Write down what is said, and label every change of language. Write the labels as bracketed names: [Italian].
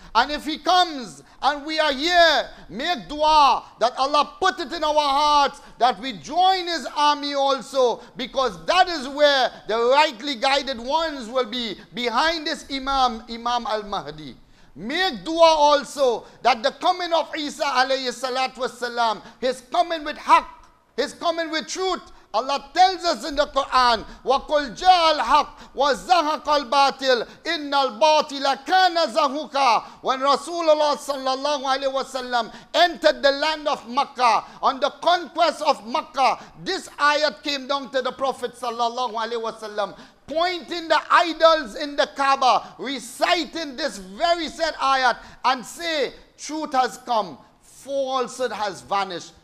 [English] And if he comes and we are here, make dua that Allah put it in our hearts that we join his army also, because that is where the rightly guided ones will be, behind this Imam al-Mahdi. Make dua also that the coming of Isa alayhi salatu wasalam, his coming with haq, his coming with truth. [Arabic] Allah tells us in the Quran, وَقُلْ جَاءَ الْحَقِّ وَزَّهَقَ الْبَاطِلِ إِنَّ الْبَاطِلَ كَانَ زَهُكَ. [English] When Rasulullah sallallahu alayhi wa sallam entered the land of Makkah, on the conquest of Makkah, this ayat came down to the Prophet sallallahu alayhi wa sallam, pointing the idols in the Kaaba, reciting this very said ayat, and say, truth has come, falsehood has vanished.